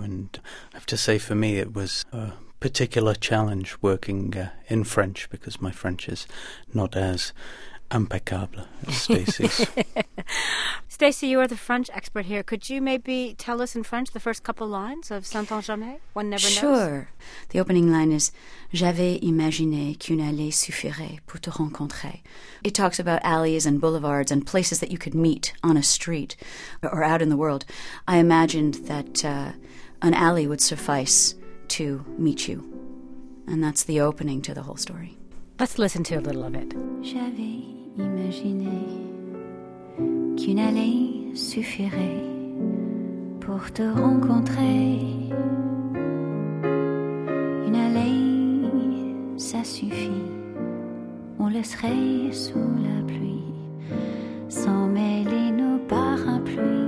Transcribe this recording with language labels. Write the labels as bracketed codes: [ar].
[en] And I have to say, for me, it was a particular challenge working in French, because my French is not as impeccable as Stacey's. Stacey, you are the French expert here. Could you maybe tell us in French the first couple lines of Saint Jamais? One never knows. Sure. The opening line is [fr] J'avais imaginé qu'une allée suffirait pour te rencontrer. [en] It talks about alleys and boulevards and places that you could meet on a street or out in the world. I imagined that an alley would suffice to meet you. And that's the opening to the whole story. Let's listen to a little of it. [fr] J'avais imaginé qu'une allée suffirait pour te rencontrer. Une allée, ça suffit. On laisserait sous la pluie sans mêler nos parapluies.